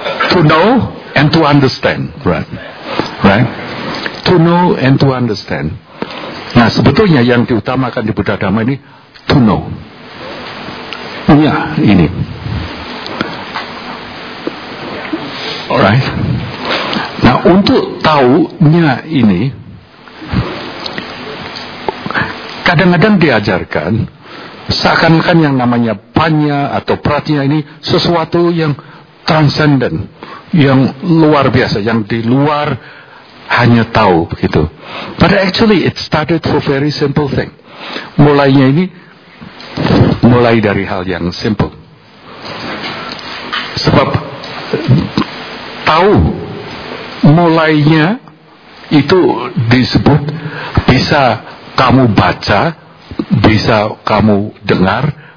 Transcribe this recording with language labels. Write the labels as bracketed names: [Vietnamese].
[English] To know and to understand, right? Right? To know and to understand. [Indonesian] Nah, sebetulnya yang diutamakan di Buddha Dhamma ini [English] to know. [Indonesian] Ya, ini. Alright. Nah, untuk tahunya ini kadang-kadang diajarkan seakan-akan yang namanya panya atau pratinya ini sesuatu yang transcendent, yang luar biasa, yang di luar hanya tahu begitu. [English] But actually it started for very simple thing. [Indonesian] Mulainya ini mulai dari hal yang simple. Sebab tahu mulainya itu disebut bisa kamu baca, bisa kamu dengar.